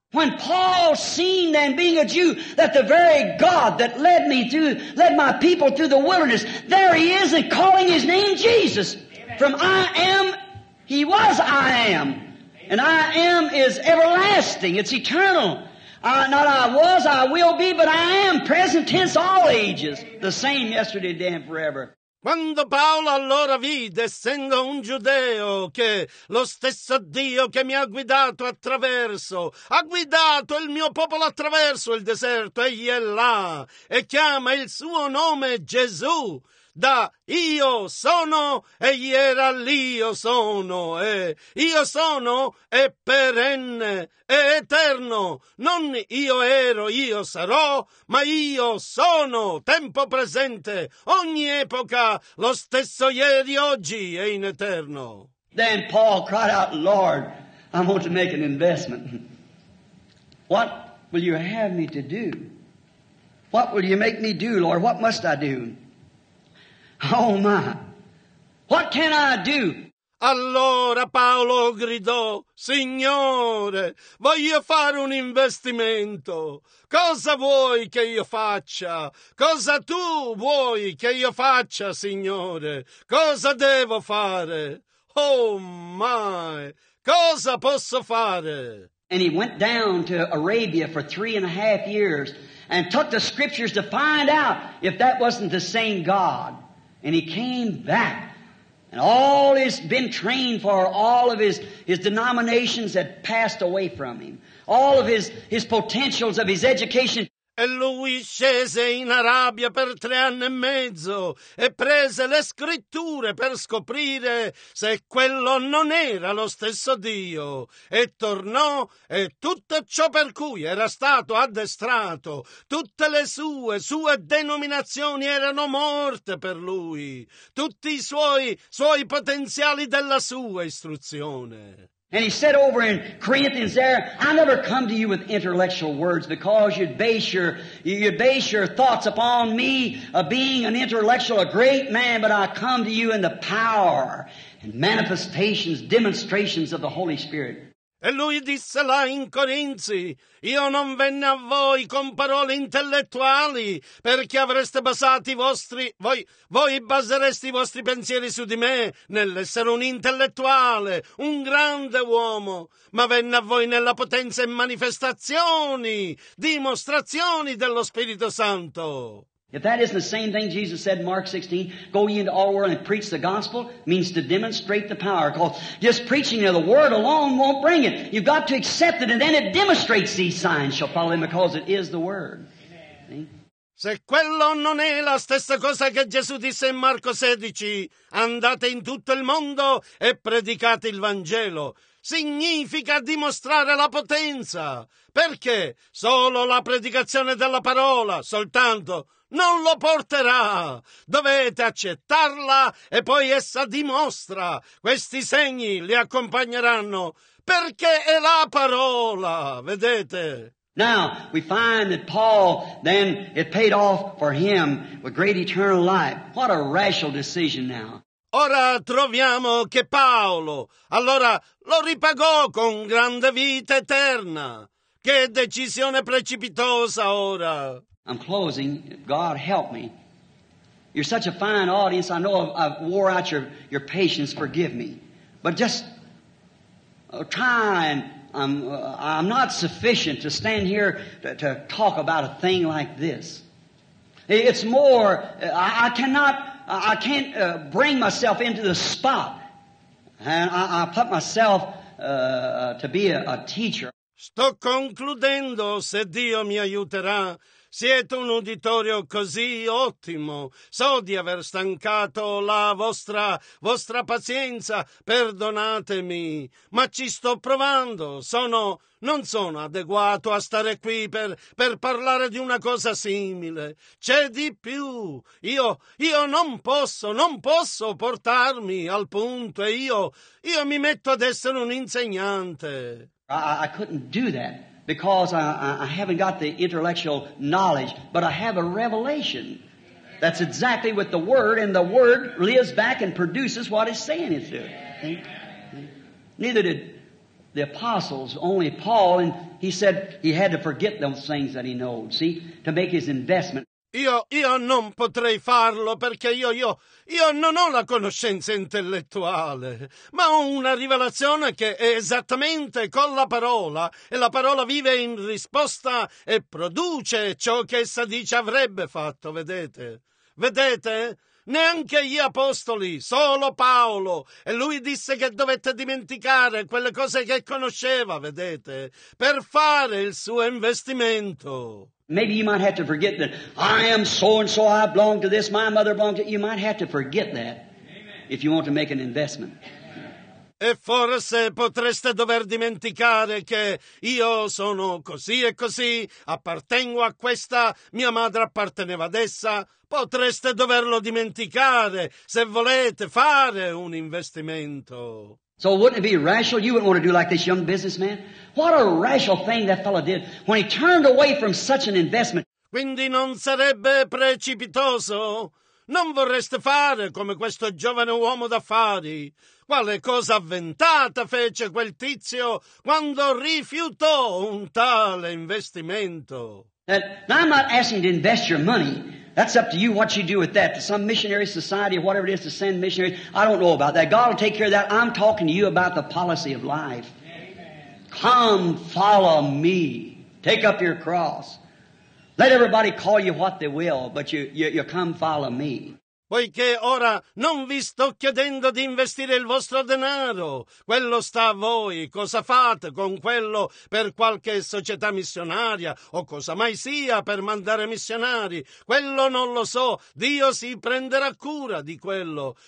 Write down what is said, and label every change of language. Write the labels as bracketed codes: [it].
[en] When Paul seen them being a Jew, that the very God that led me through, led my people through the wilderness, there he is and calling his name Jesus. Amen. From I am, he was I am. Amen. And I am is everlasting, it's eternal. Not I was, I will be, but I am, present tense, all ages. Amen. The same yesterday, today, and forever. [it] Quando Paolo allora vide, essendo un giudeo, che lo stesso Dio che mi ha guidato attraverso, ha guidato il mio popolo attraverso il deserto, egli è là e chiama il suo nome Gesù, da io sono e egli era l'io sono, e io sono è perenne, è eterno, non io ero, io sarò, ma io sono, tempo presente, ogni epoca, lo stesso ieri, oggi e in eterno. [en] Then Paul cried out, Lord, I want to make an investment. What will you have me to do? What will you make me do, Lord? What must I do? Oh my, what can I do? [it] Allora Paolo gridò, Signore, voglio fare un investimento. Cosa vuoi che io faccia? Cosa tu vuoi che io faccia, Signore? Cosa devo fare? [en] Oh my, [it] cosa posso fare? [en] And he went down to Arabia for 3.5 years and took the scriptures to find out if that wasn't the same God. And he came back, and all he's been trained for, all of his denominations had passed away from him, all of his potentials of his education. [it] E lui scese in Arabia per 3.5 anni e prese le scritture per scoprire se quello non era lo stesso Dio. E tornò e tutto ciò per cui era stato addestrato, tutte le sue denominazioni erano morte per lui, tutti i suoi potenziali della sua istruzione. [en] And he said over in Corinthians there, I never come to you with intellectual words because you'd base your thoughts upon me being an intellectual, a great man, but I come to you in the power and manifestations, demonstrations of the Holy Spirit. [it] E lui disse là in Corinzi, io non venne a voi con parole intellettuali, perché avreste basati voi basereste i vostri pensieri su di me nell'essere un intellettuale, un grande uomo, ma venne a voi nella potenza e manifestazioni, dimostrazioni dello Spirito Santo. [en] If that isn't the same thing Jesus said in Mark 16, go ye into all the world and preach the gospel, means to demonstrate the power. Because just preaching of the word alone won't bring it. You've got to accept it, and then it demonstrates these signs shall follow them because it is the word. Amen. [it] Se quello non è la stessa cosa che Gesù disse in Marco 16, andate in tutto il mondo e predicate il Vangelo. Significa dimostrare la potenza. Perché solo la predicazione della parola, soltanto, non lo porterà. Dovete accettarla e poi essa dimostra. Questi segni li accompagneranno perché è la parola. Vedete? [en] Now, we find that Paul, then it paid off for him with great eternal life. What a rational decision now. [it] Ora troviamo che Paolo, allora, lo ripagò con grande vita eterna. Che decisione precipitosa ora. [en] I'm closing. God help me. You're such a fine audience. I know I've wore out your patience. Forgive me. But just try and I'm not sufficient to stand here to talk about a thing like this. It's more, I can't bring myself into the spot. And I put myself to be a teacher. [it] Sto concludendo, se Dio mi aiuterà. Siete un uditorio così ottimo. So di aver stancato la vostra pazienza, perdonatemi. Ma ci sto provando. Non sono adeguato a stare qui per parlare di una cosa simile. C'è di più. Io non posso portarmi al punto. Io mi metto ad essere un insegnante. [en] I couldn't do that. Because I haven't got the intellectual knowledge, but I have a revelation that's exactly with the Word, and the Word lives back and produces what it's saying it's doing. Neither did the apostles, only Paul, and he said he had to forget those things that he knows, see, to make his investment. [it] Io non potrei farlo perché io non ho la conoscenza intellettuale, ma ho una rivelazione che è esattamente con la parola, e la parola vive in risposta e produce ciò che essa dice avrebbe fatto, vedete? Vedete? neanche gli apostoli, solo Paolo. E lui disse che dovette dimenticare quelle cose che conosceva, vedete, per fare il suo investimento. [en] Maybe you might have to forget that I am so and so, I belong to this, my mother belonged to this. You might have to forget that if you want to make an investment. [it] E forse potreste dover dimenticare che io sono così e così, appartengo a questa, mia madre apparteneva ad essa. Potreste doverlo dimenticare se volete fare un investimento. [en] So wouldn't it be rational? You wouldn't want to do like this young businessman? What a rational thing that fellow did when he turned away from such an investment. [it] Quindi non sarebbe precipitoso? Non vorreste fare come questo giovane uomo d'affari? Quale cosa avventata fece quel tizio quando rifiutò un tale investimento? [en] Now I'm not asking to invest your money. That's up to you what you do with that. To some missionary society or whatever it is to send missionaries. I don't know about that. God will take care of that. I'm talking to you about the policy of life. Amen. Come follow me. Take up your cross. Let everybody call you what they will, but you come follow me. [it] Poiché ora non vi sto chiedendo di investire il vostro denaro, quello sta a voi, cosa fate con quello per qualche società missionaria o cosa mai sia per mandare missionari, quello non lo so, Dio si prenderà cura di quello.